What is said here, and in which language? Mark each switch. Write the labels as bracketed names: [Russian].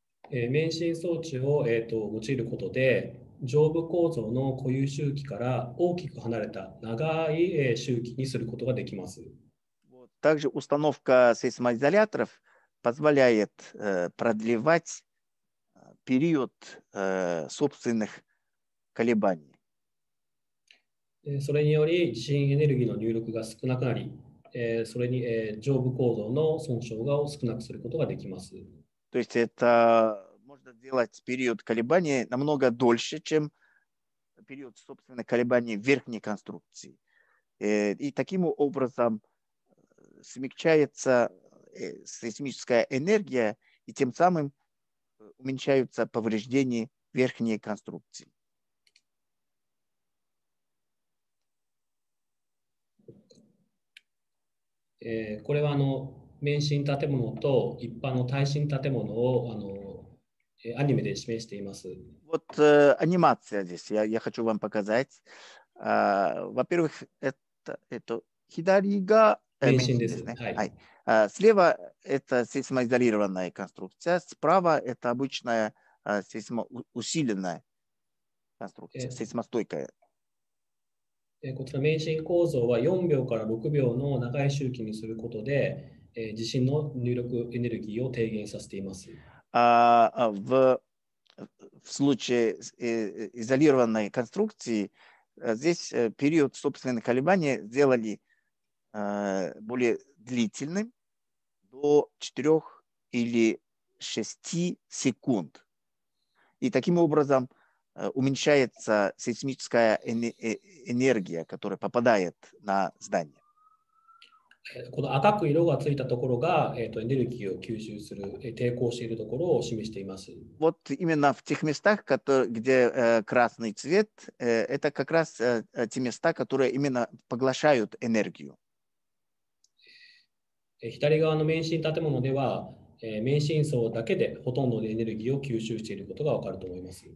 [Japanese] Меншин 装置を用いることで上部構造の固有周期から大きく離れた長い周期にすることができます。 [Russian] Также установка сейсмоизоляторов позволяет продлевать период собственных колебаний. [Japanese] それにより地震エネルギーの入力が少なくなり、それに上部構造の損傷を少なくすることができます。 [Russian] То есть это можно сделать период колебаний намного дольше, чем период собственных колебаний верхней конструкции. И таким образом смягчается сейсмическая энергия и тем самым уменьшаются повреждения верхней конструкции. [Japanese] これは免震建物と一般の耐震建物をアニメで示しています。 [Russian] Вот анимация здесь. Я хочу вам показать. Во-первых, это [Japanese] 左が免震ですね。はい。 [Russian] Слева это сейсмоизолированная конструкция. Справа это обычная сейсмоусиленная конструкция, сейсмостойкая. [Japanese] こちら免震構造は4秒から6秒の長い周期にすることで地震の入力エネルギーを低減させています。 [Russian] В случае изолированной конструкции здесь период собственных колебаний сделали более длительным до 4 или 6 секунд. И таким образом уменьшается сейсмическая энергия, которая попадает на здание. [Japanese] この赤く色がついたところが、エネルギーを吸収する、抵抗しているところを示しています。 [Russian] Вот именно в тех местах, где красный цвет, это как раз те места, которые именно поглощают энергию. [Japanese] 左側の免震建物では、免震層だけでほとんどのエネルギーを吸収していることがわかると思います。